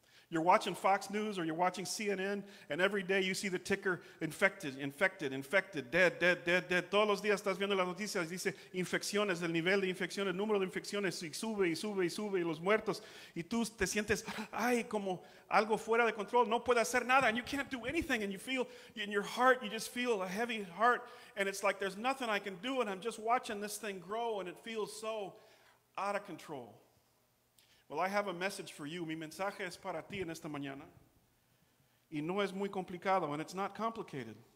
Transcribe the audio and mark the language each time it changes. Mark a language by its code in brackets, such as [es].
[en] You're watching Fox News or you're watching CNN, and every day you see the ticker, infected, infected, infected, dead, dead, dead, dead. [es] Todos los días estás viendo las noticias, dice infecciones, el nivel de infecciones, el número de infecciones, y sube, y sube, y sube, y los muertos. Y tú te sientes, ay, como algo fuera de control, no puedo hacer nada, [en] and you can't do anything, and you feel, in your heart, you just feel a heavy heart, and it's like there's nothing I can do, and I'm just watching this thing grow, and it feels so out of control. Well, I have a message for you. [es] Mi mensaje es para ti en esta mañana. Y no es muy complicado, [en] and it's not complicated.